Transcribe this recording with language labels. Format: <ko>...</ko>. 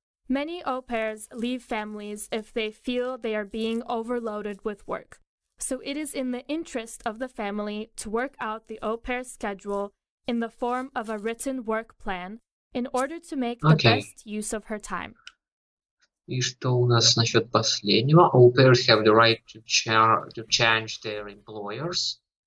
<en>Many au pairs leave families if they feel they are being overloaded with work, so it is in the interest of the family to work out the au pair schedule in the form of a written work plan in order to make the best use of her time.</en> <ru>И что у нас насчет последнего?</ru> <en>Au pairs have the right to change their employers.</en>